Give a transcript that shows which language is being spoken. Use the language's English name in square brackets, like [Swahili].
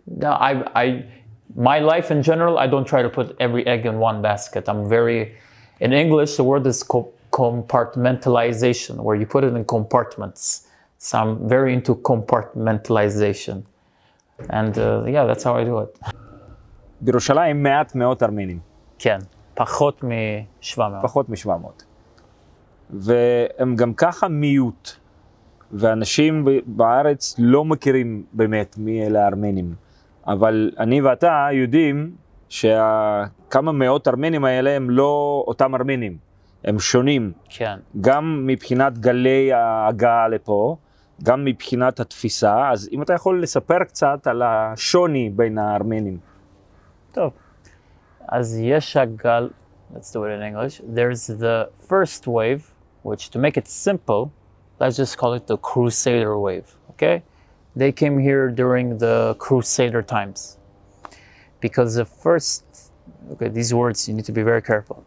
[English] No, my life in general, I don't try to put every egg in one basket. I'm very, in English, the word is compartmentalization, where you put it in compartments. So I'm very into compartmentalization. And yeah, that's how I do it. [Hebrew] בירושלים מעט מאות ארמינים. כן, פחות מ-700. והם גם ככה מיעוט. ואנשים בארץ לא מכירים באמת מי אלה ארמנים. אבל אני ואתה יודעים שכמה מאות ארמנים האלה הם לא אותם ארמנים. הם שונים. כן. גם מבחינת גלי ההגעה לפה, גם מבחינת התפיסה. אז אם אתה יכול לספר קצת על השוני בין הארמנים. טוב. אז יש הגל, [English] let's do it in English, there's the first wave, which to make it simple, let's just call it the Crusader wave, okay? They came here during the Crusader times. Because the first, okay, these words, you need to be very careful.